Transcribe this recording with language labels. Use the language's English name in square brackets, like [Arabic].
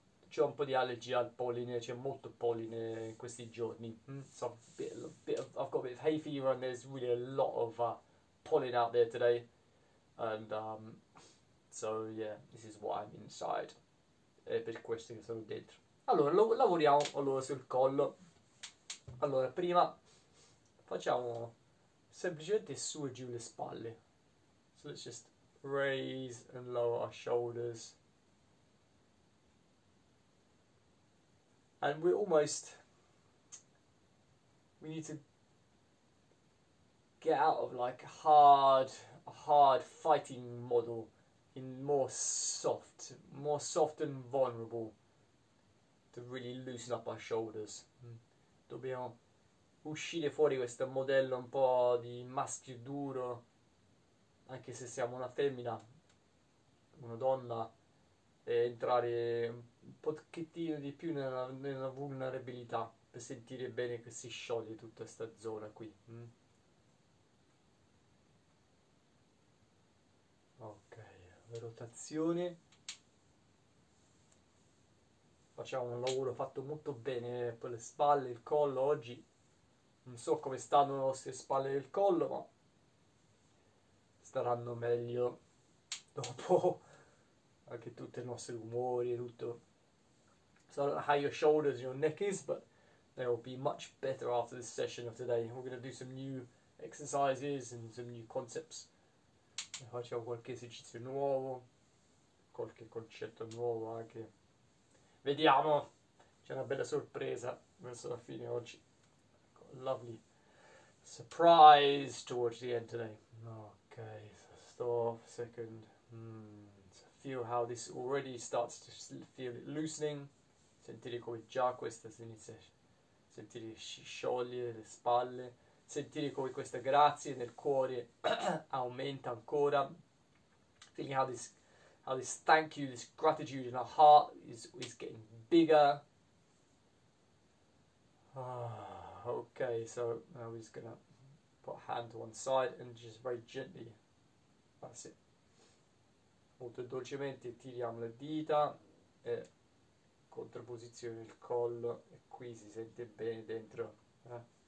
[Italian] C'è un po' di allergia al polline, c'è molto polline in questi giorni. [English] So I've got a bit of hay fever and there's really a lot of pollen out there today. So yeah, this is why I'm inside. [Italian] È per questo che sono dentro. Allora, lavoriamo allora sul collo. Allora, prima facciamo semplicemente su e giù le spalle. [English] So let's just raise and lower our shoulders. And we need to get out of like a hard fighting model in more soft and vulnerable to really loosen up our shoulders. [Italian] Dobbiamo uscire fuori questo modello un po' di maschio duro, anche se siamo una femmina, una donna, e entrare un pochettino di più nella vulnerabilità per sentire bene che si scioglie tutta questa zona qui. Ok, rotazione. Facciamo un lavoro fatto molto bene per le spalle, il collo oggi. Non so come stanno le vostre spalle e il collo, ma staranno meglio dopo anche tutti i nostri rumori e tutto. [English] So I don't know how your shoulders and your neck is, but they will be much better after this session of today. We're going to do some new exercises and some new concepts. [Italian] Facciamo qualche esercizio nuovo, qualche concetto nuovo anche. Vediamo, c'è una bella sorpresa verso la fine oggi. [English] Lovely surprise towards the end today. Okay, so stop, second. So feel how this already starts to feel it loosening. [Italian] Sentire come già questa si inizia a sentire sciogliere le spalle, sentire come questa grazia nel cuore aumenta ancora. [English] Feeling how this thank you, this gratitude in our heart is getting bigger. Okay, so now we're just gonna put a hand to one side and just very gently, that's it. [Italian] Molto dolcemente tiriamo le dita e contrapposizione il collo e qui si sente bene dentro, eh?